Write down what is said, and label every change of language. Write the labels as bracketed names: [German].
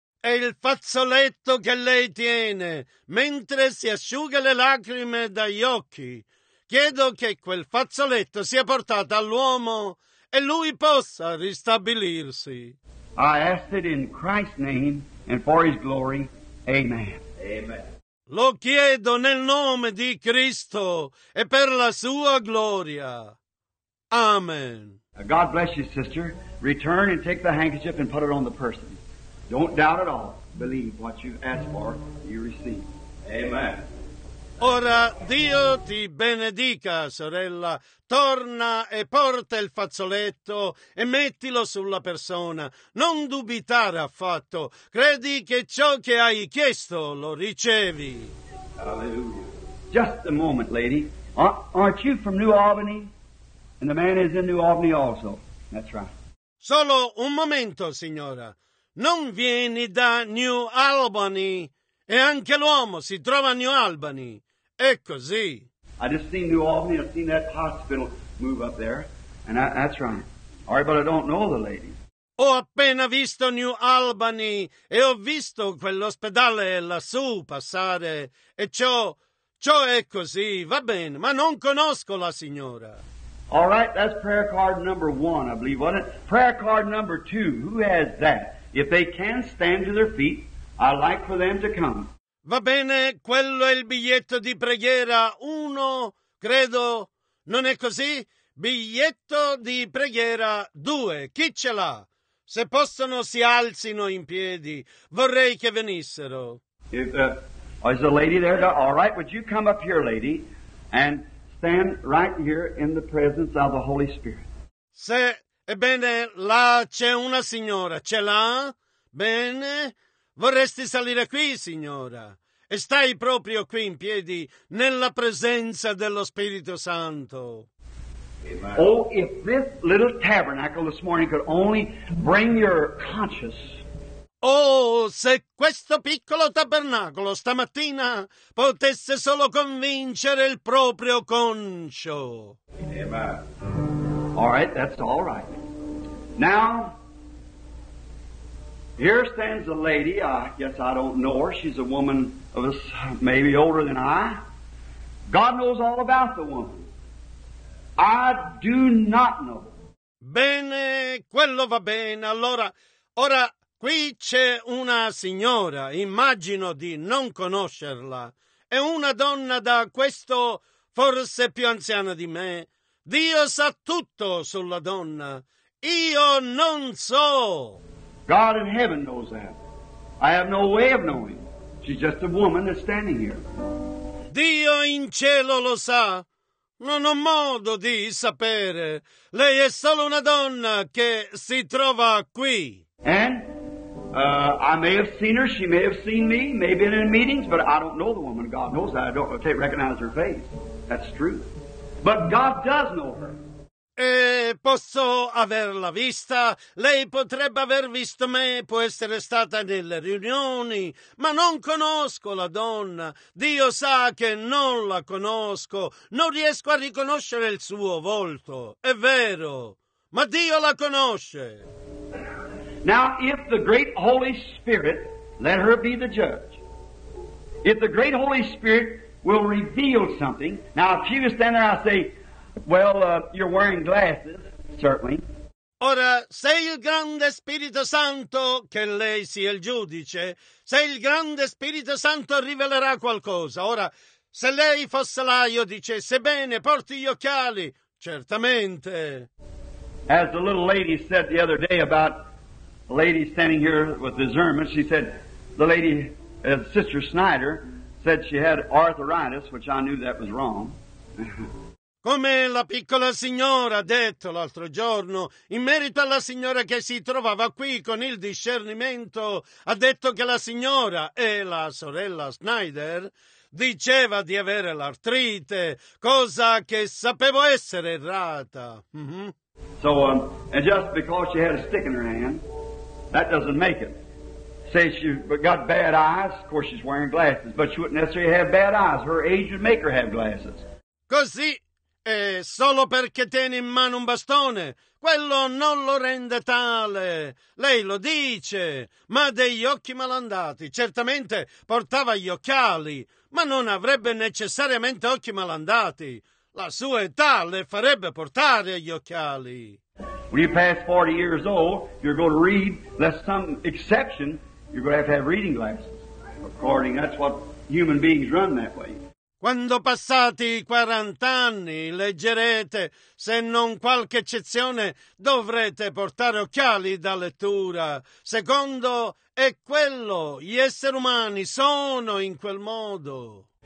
[Italian] E il fazzoletto che lei tiene, mentre si asciuga le lacrime dagli occhi, chiedo che quel fazzoletto sia portato all'uomo e lui possa ristabilirsi. [English] I ask it in Christ's name and for his glory. Amen. Amen. [Italian] Lo chiedo nel nome di Cristo e per la sua gloria. Amen. [English] God bless you, sister. Return and take the handkerchief and put it on the person. Don't doubt at all. Believe what you've asked for, you receive. Amen. [Italian] Ora Dio ti benedica, sorella. Torna e porta il fazzoletto e mettilo sulla persona. Non dubitare affatto. Credi che ciò che hai chiesto lo ricevi. Hallelujah. [English] Just a moment, lady. Aren't you from New Albany? And the man is in New Albany also. That's right. [Italian] Solo un momento, signora. Non vieni da New Albany? E anche l'uomo si trova a New Albany. È così. [English] I just seen New Albany. I've seen that hospital move up there. And that's right. All right, but I don't know the lady. [Italian] Ho appena visto New Albany e ho visto quell'ospedale lassù passare. E ciò è così. Va bene, ma non conosco la signora. [English] All right, that's prayer card number 1, I believe, wasn't it? Prayer card number 2, who has that? If they can stand to their feet, I'd like for them to come. [Italian] Va bene, quello è il biglietto di preghiera 1, credo. Non è così? Biglietto di preghiera 2. Chi ce l'ha? Se possono, si alzino in piedi. Vorrei che venissero. [English] Is the lady there? All right, would you come up here, lady, and stand right here in the presence of the Holy Spirit. [Italian] Se, ebbene, là c'è una signora. Ce l'ha? Bene. Vorresti salire qui, signora, e stai proprio qui in piedi, nella presenza dello Spirito Santo. [English] Oh, if this little tabernacle this morning could only bring your conscience. [Italian] Oh, se questo piccolo tabernacolo stamattina potesse solo convincere il proprio conscio. Amen. [English] All right, that's all right. Now, here stands a lady, I guess I don't know her, she's a woman of us maybe older than I. God knows all about the woman. I do not know. [Italian] Bene, quello va bene. Allora, ora qui c'è una signora, immagino di non conoscerla. È una donna da questo forse più anziana di me. Dio sa tutto sulla donna. Io non so. [English] God in heaven knows that. I have no way of knowing. She's just a woman that's standing here. [Italian] Dio in cielo lo sa. Non ho modo di sapere. Lei è solo una donna che si trova qui. [English] And I may have seen her, she may have seen me, maybe in meetings, but I don't know the woman. God knows that. I don't can't recognize her face. That's true. But God does know her. [Italian] E posso averla vista? Lei potrebbe aver visto me, può essere stata nelle riunioni, ma non conosco la donna. Dio sa che non la conosco, non riesco a riconoscere il suo volto. È vero, ma Dio la conosce. [English] Now, if the great Holy Spirit, let her be the judge. If the great Holy Spirit will reveal something, now if she was standing there, I'd say, well, you're wearing glasses, certainly. [Italian] Ora, se il grande Spirito Santo, che lei sia il giudice, se il grande Spirito Santo rivelerà qualcosa. Ora, se lei fosse là, io dicesse, bene, porti gli occhiali, certamente. [English] As the little lady said the other day about a lady standing here with discernment, she said, the lady, Sister Snyder, said she had arthritis, which I knew that was wrong. [Italian] Come la piccola signora ha detto l'altro giorno, in merito alla signora che si trovava qui con il discernimento, ha detto che la signora e la sorella Snyder diceva di avere l'artrite, cosa che sapevo essere errata. Mm-hmm. [English] So, and just because she had a stick in her hand, that doesn't make it. Say she got bad eyes, of course she's wearing glasses, but she wouldn't necessarily have bad eyes. Her age would make her have glasses. [Italian] Così. E solo perché tiene in mano un bastone, quello non lo rende tale. Lei lo dice, ma ha degli occhi malandati. Certamente portava gli occhiali, ma non avrebbe necessariamente occhi malandati. La sua età le farebbe portare gli occhiali. [English] When you pass 40 years old, you're going to read, that's some exception, you're going to have reading glasses. According, that's what human beings run that way. [Italian] Quando passati i 40 anni leggerete, se non qualche eccezione, dovrete portare occhiali da lettura. Secondo è quello, gli esseri umani sono in quel modo.